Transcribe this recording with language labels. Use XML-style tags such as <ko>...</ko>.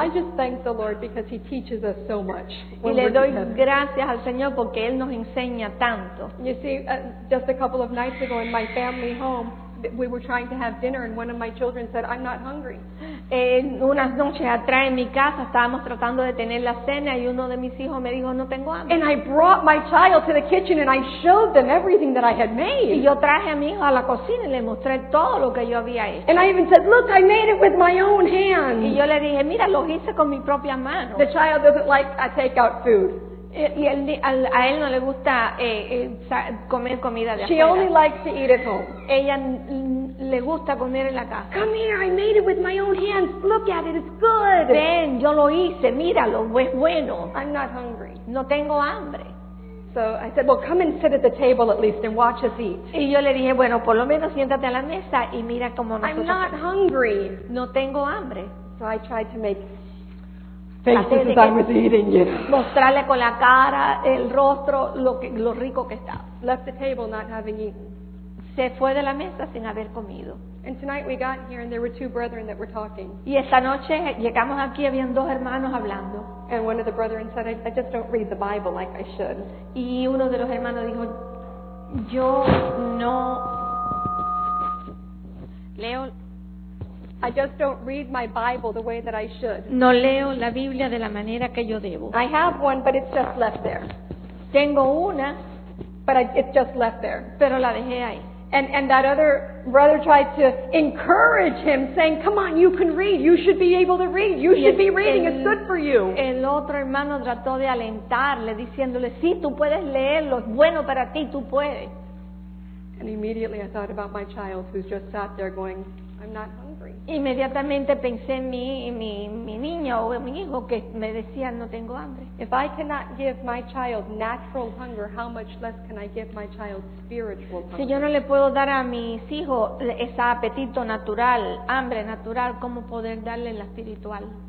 <en>I just thank the Lord because He teaches us so much.</en> <es>Y le doy gracias al Señor porque Él nos enseña tanto.</es> <en>You see, just a couple of nights ago in my family home, we were trying to have dinner, and one of my children said, "I'm not hungry."</en> <es>Unas noches atrás en mi casa estábamos tratando de tener la cena, y uno de mis hijos me dijo, "No tengo hambre."</es> <en>And I brought my child to the kitchen, and I showed them everything that I had made.</en> <es>Y yo traje a mi hijo a la cocina y le mostré todo lo que yo había hecho.</es> <en>And I even said, "Look, I made it with my own hands."</en> <es>Y yo le dije, "Mira, lo hice con mi propia mano."</es> <en>The child doesn't like takeout food.</en> <es>Y a él no le gusta comer comida de afuera.</es> <en>She only likes to eat at home.</en> <es>Ella le gusta comer en la casa.</es> <en>Come here, I made it with my own hands. Look at it, it's good.</en> <es>Ven, yo lo hice, míralo, es bueno.</es> <en>I'm not hungry.</en> <es>No tengo hambre.</es> <en>So I said, well, come and sit at the table at least and watch us eat.</en> <es>Y yo le dije, bueno, por lo menos siéntate a la mesa y mira cómo nosotros.</es> <en>I'm not hungry.</en> <es>No tengo hambre.</es> <en>So I tried to make faces as I was eating, you know.</en> <es>Mostrarle con la cara, el rostro, lo rico que está.</es> <en>Left the table not having eaten.</en> <es>Se fue de la mesa sin haber comido.</es> <en>And tonight we got here and there were two brethren that were talking.</en> <es>Y esta noche llegamos aquí y habían dos hermanos hablando.</es> <en>And one of the brethren said, "I just don't read the Bible like I should."</en> <es>Y uno de los hermanos dijo, "Yo no leo."</es> <en>I just don't read my Bible the way that I should.</en> <es>No leo la Biblia de la manera que yo debo.</es> <en>I have one, but it's just left there.</en> <es>Tengo una,</es> <en>but it's just left there.</en> <es>Pero la dejé ahí.</es> <en>And that other brother tried to encourage him, saying, "Come on, you can read. You should be able to read. You should be reading. It's good for you."</en> <es>El otro hermano trató de alentarle, diciéndole, "Sí, tú puedes leerlo. Es bueno para ti. Tú puedes."</es> <en>And immediately I thought about my child, who's just sat there going, "I'm not hungry."</en> <es>Inmediatamente pensé en mi niño o mi hijo que me decía, "No tengo hambre."</es> <en>If I cannot give my child natural hunger, how much less can I give my child spiritual hunger?</en> <es>Si yo no le puedo dar a mis hijos ese apetito natural, hambre natural, ¿cómo poder darle la espiritual?</es>